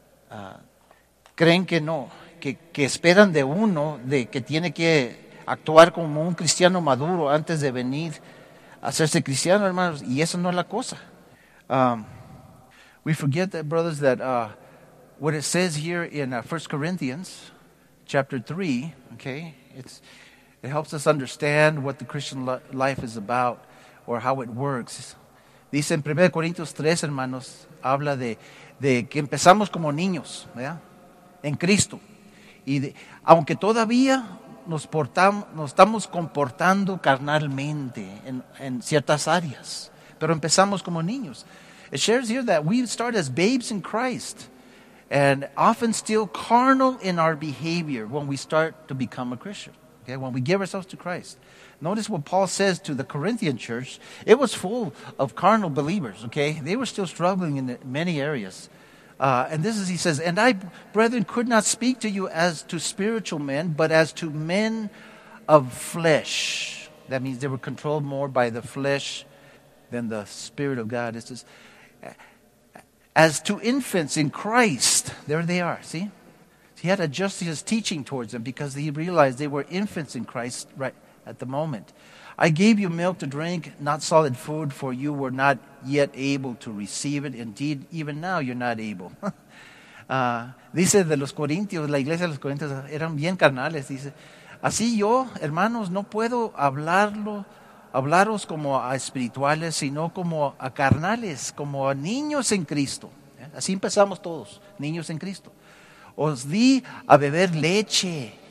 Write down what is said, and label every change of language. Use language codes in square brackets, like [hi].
[es] Muchos creen que no, que esperan de uno de que tiene que actuar como un cristiano maduro antes de venir a hacerse cristiano, hermanos, y eso no es la cosa. [en] We forget that, brothers, that what it says here in 1 Corinthians chapter 3, okay, it helps us understand what the Christian life is about or how it works. [es] Dice en 1 Corintios 3, hermanos, habla de que empezamos como niños, ¿verdad? En Cristo. Y aunque todavía nos estamos comportando carnalmente en ciertas áreas, pero empezamos como niños. [en] It shares here that we start as babes in Christ and often still carnal in our behavior when we start to become a Christian, okay? When we give ourselves to Christ. Notice what Paul says to the Corinthian church. It was full of carnal believers, okay? They were still struggling in many areas. And this is, he says, and I, brethren, could not speak to you as to spiritual men, but as to men of flesh. That means they were controlled more by the flesh than the Spirit of God. It says, as to infants in Christ. There they are, see? He had to adjust his teaching towards them because he realized they were infants in Christ, right? At the moment, I gave you milk to drink, not solid food, for you were not yet able to receive it. Indeed, even now you're not able. [es] Dice de los Corintios, la iglesia de los Corintios eran bien carnales. Dice, así yo, hermanos, no puedo hablaros como a espirituales, sino como a carnales, como a niños en Cristo. ¿Eh? Así empezamos todos, niños en Cristo. Os di a beber leche.